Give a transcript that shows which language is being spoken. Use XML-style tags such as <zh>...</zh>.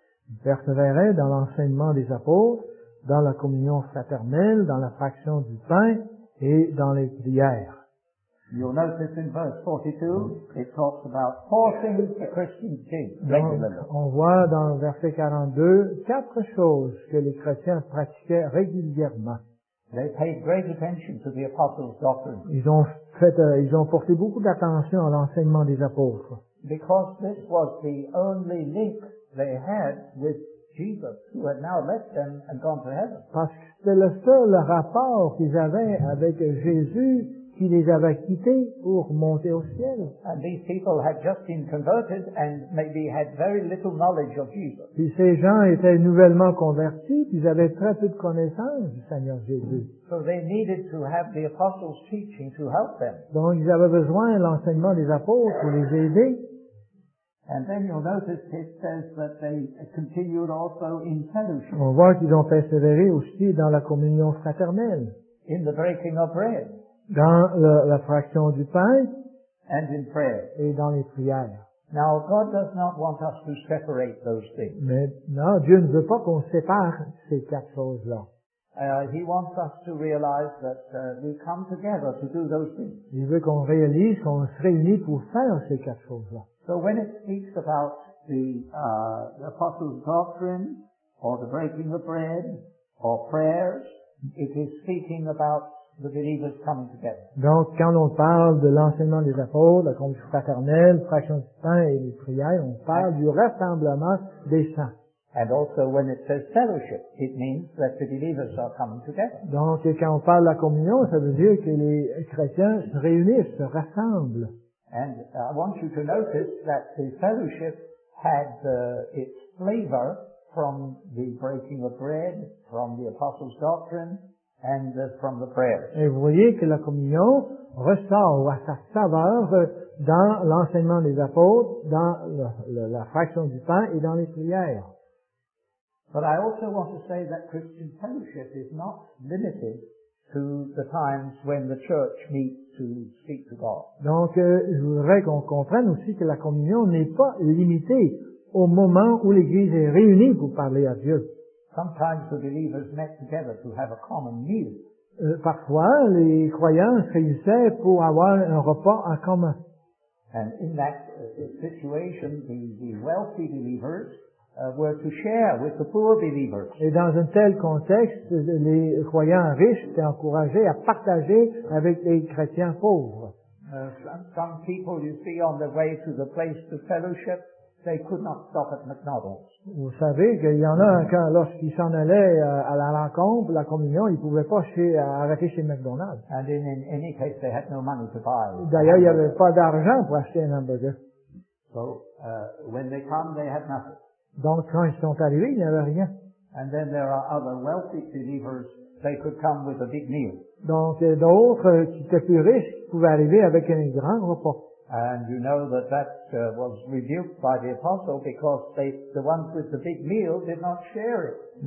<fr>Ils persévéraient dans l'enseignement des apôtres, dans la communion fraternelle, dans la fraction du pain et dans les prières.</fr> <en>You'll notice in verse 42, it talks about four things the Christians did regularly.</en> <fr>On voit dans le verset 42 quatre choses que les chrétiens pratiquaient régulièrement.</fr> <en>They paid great attention to the apostles' doctrine.</en> <fr>Ils ont porté beaucoup d'attention à l'enseignement des apôtres.</fr> <en>Because this was the only link they had with Jesus, who had now left them and gone to heaven.</en> <fr>Parce que c'était le seul rapport qu'ils avaient avec Jésus qui les avait quittés pour monter au ciel.</fr> <en>And these people had just been converted and maybe had very little knowledge of Jesus.</en> <fr>Puis ces gens étaient nouvellement convertis, puis ils avaient très peu de connaissances du Seigneur Jésus.</fr> <en>So they needed to have the apostles' teaching to help them.</en> <fr>Donc ils avaient besoin de l'enseignement des apôtres pour les aider.</fr> <en>And then you'll notice it says that they continued also in fellowship.</en> <fr>On voit qu'ils ont persévéré aussi dans la communion fraternelle.</fr> <en>In the breaking of bread.</en> <fr>Dans la fraction du pain</fr> <en>and in prayer.</en> <fr>Et dans les prières.</fr> <en>Now, God does not want us to separate those things.</en> <fr>Mais non, Dieu ne veut pas qu'on sépare ces quatre choses-là.</fr> <en>He wants us to realize that we come together to do those things.</en> <fr>Il veut qu'on réalise qu'on se réunit pour faire ces quatre choses-là.</fr> <en>So when it speaks about the apostles' doctrine or the breaking of bread or prayers, it is speaking about the believers coming together.</en> <fr>Donc, quand on parle de l'enseignement des apôtres, la communion fraternelle, fraction du pain et les prières, on parle du rassemblement des saints.</fr> <en>And also, when it says fellowship, it means that the believers are coming together.</en> <fr>Donc, quand on parle de la communion, ça veut dire que les chrétiens se réunissent, se rassemblent.</fr> <en>And I want you to notice that the fellowship had its flavor from the breaking of bread, from the apostles' doctrine, and from the prayers.</en> <fr>Et vous voyez que la communion ressort à sa saveur dans l'enseignement des apôtres, dans la fraction du pain et dans les prières.</fr> <en>But I also want to say that Christian fellowship is not limited to the times when the church meets to speak to God.</en> <fr>Donc, je voudrais qu'on comprenne aussi que la communion n'est pas limitée au moment où l'Église est réunie pour parler à Dieu.</fr> <en>Sometimes the believers met together to have a common meal.</en> <fr>Parfois, les croyants se réunissaient pour avoir un repas en commun.</fr> <en>And in that situation, the wealthy believers were to share with the poor believers.</en> <fr>Et dans un tel contexte, les croyants riches étaient encouragés à partager avec les chrétiens pauvres.</fr> <en>Some people, you see, on the way to the place to fellowship, they could not stop at McDonald's.</en> <fr>Vous savez qu'il y en a quand lorsqu'ils s'en allaient à la rencontre, la communion, ils ne pouvaient pas arrêter chez McDonald's.</fr> <en>And in any case, they had no money to buy.</en> <fr>D'ailleurs, il n'y avait pas d'argent pour acheter un hamburger.</fr> <en>So, when they come, they had nothing.</en> <fr>Donc, quand ils sont arrivés, il n'y avait rien.</fr> <en>And then there are other wealthy believers, they could come with a big meal.</en> <fr>Donc, d'autres qui étaient plus riches pouvaient arriver avec un grand repas.</fr> <en>And you know that was rebuked by the apostle because the ones with the big meal did not share it.</en>